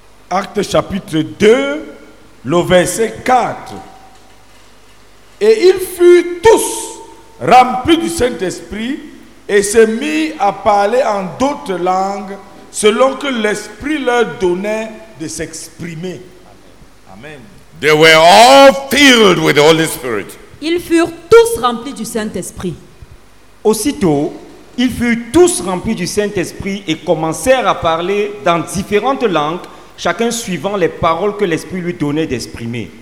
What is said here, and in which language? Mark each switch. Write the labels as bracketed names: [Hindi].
[French] Actes chapitre 2. Le verset 4. Et ils furent tous remplis du Saint-Esprit et se mirent à parler en d'autres langues selon que l'Esprit leur donnait de s'exprimer. Amen. [English] They were all filled with the Holy Spirit. [French] Ils furent tous remplis du Saint-Esprit. Aussitôt, ils furent tous remplis du Saint-Esprit et commencèrent à parler dans différentes langues, chacun suivant les paroles que l'Esprit lui donnait d'exprimer.